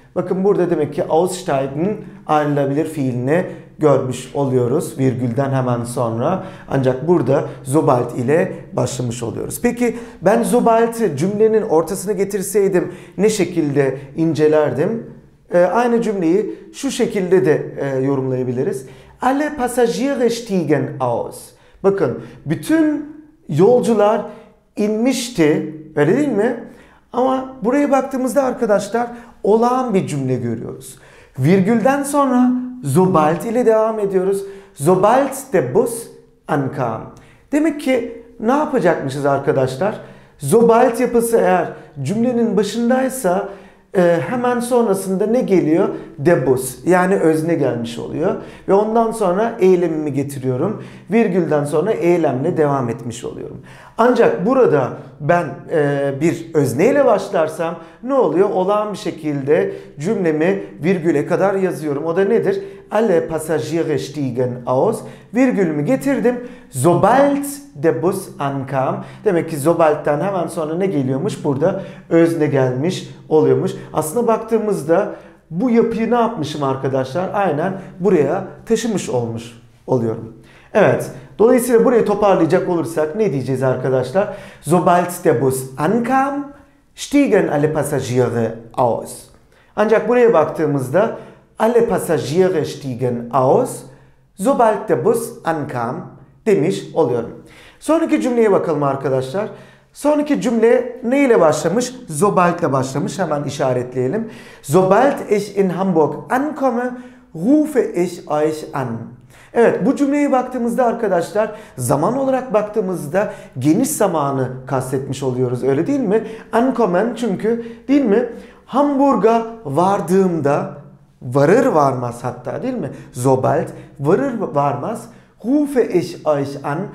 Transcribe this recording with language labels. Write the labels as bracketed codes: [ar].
[tr] Bakın burada demek ki aussteigen ayrılabilir fiilini görmüş oluyoruz virgülden hemen sonra. Ancak burada sobald ile başlamış oluyoruz. Peki ben sobald'ı cümlenin ortasına getirseydim ne şekilde incelerdim? Aynı cümleyi şu şekilde de yorumlayabiliriz. [de] Alle Passagiere stiegen aus. [tr] Bakın, bütün yolcular inmişti, öyle değil mi? Ama buraya baktığımızda arkadaşlar, olağan bir cümle görüyoruz. Virgülden sonra sobald ile devam ediyoruz. [de] Sobald der Bus ankam. [tr] Demek ki ne yapacakmışız arkadaşlar? Sobald yapısı eğer cümlenin başındaysa hemen sonrasında ne geliyor? [de] Der Bus, [tr] yani özne gelmiş oluyor. Ve ondan sonra eylemimi getiriyorum. Virgülden sonra eylemle devam etmiş oluyorum. Ancak burada ben bir özneyle başlarsam ne oluyor? Olağan bir şekilde cümlemi virgüle kadar yazıyorum. O da nedir? [de] Alle Passagiere stiegen aus. [tr] Virgülümü getirdim. [de] Sobald der Bus ankam. [tr] Demek ki sobald'den hemen sonra ne geliyormuş? Burada özne gelmiş oluyormuş. Aslında baktığımızda bu yapıyı ne yapmışım arkadaşlar? Aynen buraya taşımış olmuş oluyorum. Evet, dolayısıyla burayı toparlayacak olursak ne diyeceğiz arkadaşlar? [de] Sobald der Bus ankam, stiegen alle Passagiere aus. [tr] Ancak buraya baktığımızda [de] alle Passagiere stiegen aus, sobald der Bus ankam [tr] demiş oluyorum. Sonraki cümleye bakalım arkadaşlar. Sonraki cümle ne ile başlamış? Sobald ile başlamış, hemen işaretleyelim. [de] Sobald ich in Hamburg ankomme, rufe ich euch an. [tr] Evet, bu cümleye baktığımızda arkadaşlar zaman olarak baktığımızda geniş zamanı kastetmiş oluyoruz, öyle değil mi? Ankommen çünkü, değil mi? Hamburg'a vardığımda varır varmaz hatta, değil mi? [de] Sobald [tr] varır varmaz. [de] Rufe ich euch an.